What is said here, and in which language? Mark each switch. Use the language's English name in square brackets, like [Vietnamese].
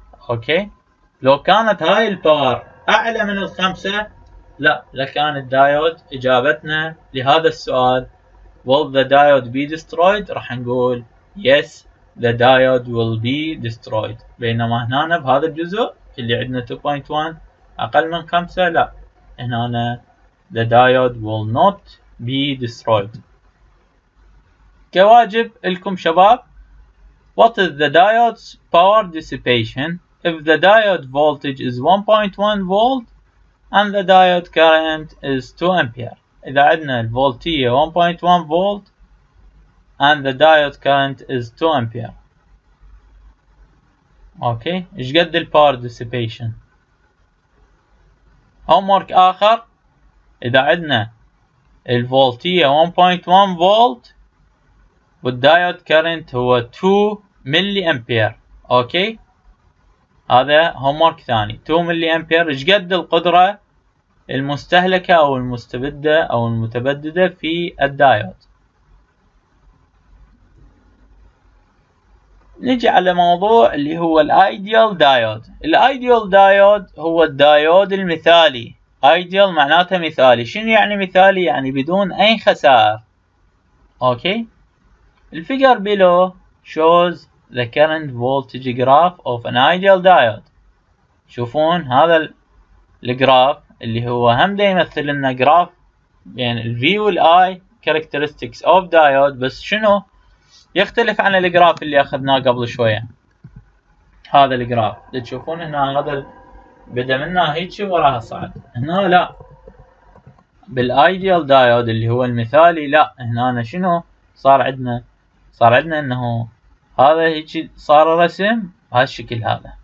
[Arabic] اوكي، لو كانت هاي الباور اعلى من الخمسة لا لكان الدايود اجابتنا لهذا السؤال [English] will the diode be destroyed، [Arabic] راح نقول [English] yes the diode will be destroyed، [Arabic] بينما هنا بهذا الجزء اللي عندنا 2.1 اقل من خمسة لا، هنا [English] the diode will not be destroyed. [Arabic] كواجب لكم شباب، [English] What is the diode's power dissipation if the diode voltage is 1.1 volt and the diode current is 2 ampere؟ [Arabic] إذا عندنا الفولتية [English] 1.1 volt and the diode current is 2 ampere. [Arabic] أوكي، إيش قد الـ power dissipation؟ Homework آخر، إذا عندنا الفولتية 1.1 volt والدايود كارنت هو 2 ملي امبير، اوكي هذا هومورك ثاني، 2 ملي امبير ايش قد القدره المستهلكه او المستبده او المتبدده في الدايود؟ نجي على موضوع اللي هو الايديال دايود. الايديال دايود هو الدايود المثالي، ايديال معناته مثالي، شنو يعني مثالي؟ يعني بدون اي خسائر. اوكي، الفيجر [English] below shows the current voltage graph of an ideal diode. [Arabic] شوفون هذا الجراف اللي هو هم دا يمثل لنا جراف بين ال V وال I [English] characteristics of diode، [Arabic] بس شنو يختلف عن الجراف اللي اخذناه قبل شوية؟ هذا الجراف اللي تشوفون هنا هذا بدأ منه هيك وراها صعد، هنا لا بالideal diode اللي هو المثالي لا، هنا أنا شنو صار عندنا؟ صار عندنا انه هذا هيك صار رسم بهالشكل هذا.